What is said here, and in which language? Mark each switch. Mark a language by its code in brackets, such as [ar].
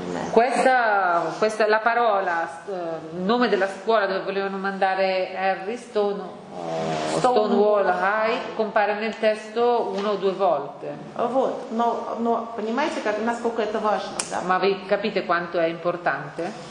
[it] Questa la parola, il nome della scuola dove volevano mandare Harry Stonewall High compare nel testo una o due volte. [ru] Вот, но понимаете, как насколько это важно, да? [it] Ma vi capite quanto è importante?